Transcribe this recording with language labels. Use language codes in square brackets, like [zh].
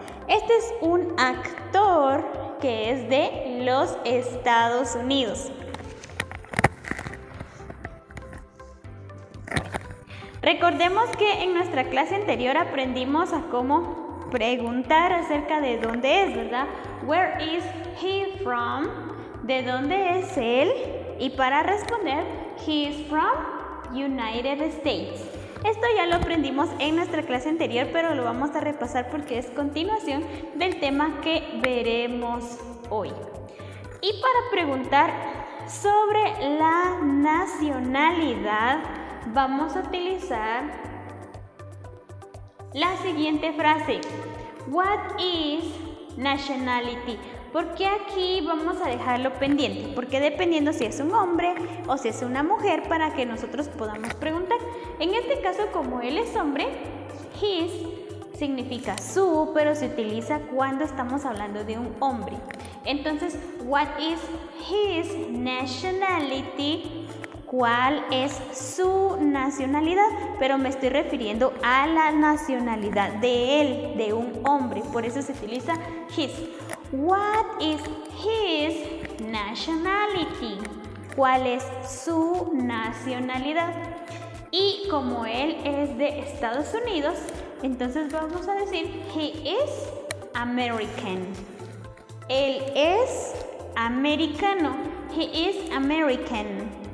[es] Este es un actor que es de los Estados Unidos. Recordemos que en nuestra clase anterior aprendimos a cómo preguntar acerca de dónde es, ¿verdad? [en] Where is he from? [es] ¿De dónde es él? Y para responder, [en] he is from United States. [es] Esto ya lo aprendimos en nuestra clase anterior, pero lo vamos a repasar porque es continuación del tema que veremos hoy. Y para preguntar sobre la nacionalidad, vamos a utilizar la siguiente frase. [en] What is nationality? [es] Porque aquí vamos a dejarlo pendiente, porque dependiendo si es un hombre o si es una mujer, para que nosotros podamos preguntar. En este caso, como él es hombre, his significa su, pero se utiliza cuando estamos hablando de un hombre. [en] Entonces, what is his nationality? [es] ¿Cuál es su nacionalidad? Pero me estoy refiriendo a la nacionalidad de él, de un hombre. Por eso se utiliza his. [en] What is his nationality? [es] ¿Cuál es su nacionalidad? Y como él es de Estados Unidos, entonces vamos a decir [en] he is American. [es] Él es americano. [en] He is American.